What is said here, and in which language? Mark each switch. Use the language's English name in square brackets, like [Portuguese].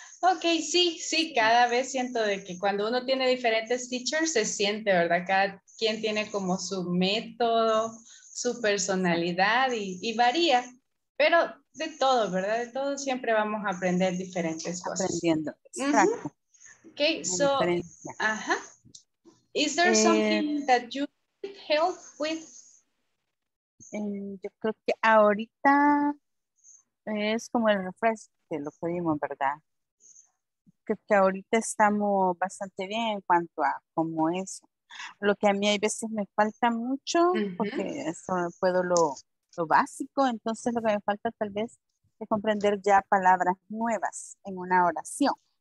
[Spanish] Ok, sí, cada vez siento de que cuando uno tiene diferentes teachers, se siente, ¿verdad? Cada quién tiene como su método, su personalidad y varía. Pero de todo, ¿verdad? De todo siempre vamos a aprender diferentes cosas. Aprendiendo, exacto. Uh-huh. Ok, so, ajá. [English] Is there something that you need help with? [Spanish] Yo creo que ahorita es como el refresh que lo pedimos, ¿verdad? Creo que ahorita estamos bastante bien en cuanto a como eso. Lo que a mí hay veces me falta mucho, uh-huh, porque eso no puedo lo básico, entonces lo que me falta tal vez es comprender ya palabras nuevas en una oración.